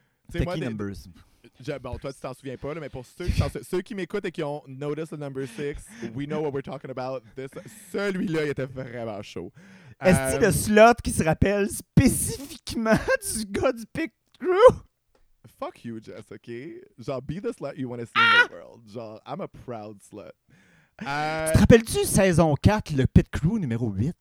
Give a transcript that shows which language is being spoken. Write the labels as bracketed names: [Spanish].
[French] c'était qui, numbers? Bon, toi, tu t'en souviens pas, là, mais pour ceux qui m'écoutent et qui ont [English] noticed the number 6, we know what we're talking about. [French] Celui-là, il était vraiment chaud. Est-ce que le slot qui se rappelle spécifiquement du gars du pick crew? [English] Fuck you, Jess, OK? Genre, be the slut you want to see in the world. Genre, I'm a proud slut. [French] Tu te rappelles-tu saison 4, le pit crew numéro 8?